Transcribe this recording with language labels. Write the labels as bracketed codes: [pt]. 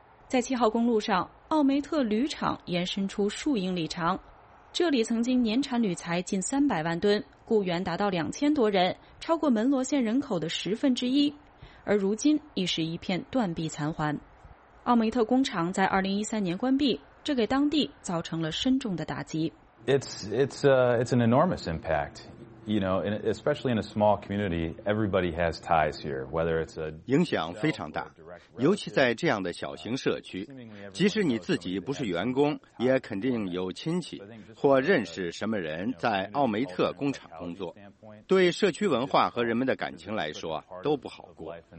[zh] 在七号公路上，奥梅特铝厂延伸出数英里长，这里曾经年产铝材近300万吨，雇员达到2000多人，超过门罗县人口的1/10。而如今已是一片断壁残垣。奥梅特工厂在2013年关闭，这给当地造成了深重的打击。 [en] It's an enormous impact. You know, especially in a small community, everybody has ties here. Whether it's a [zh] 影响非常大，尤其在这样的小型社区，即使你自己不是员工，也肯定有亲戚或认识什么人在奥梅特工厂工作。对社区文化和人们的感情来说都不好过。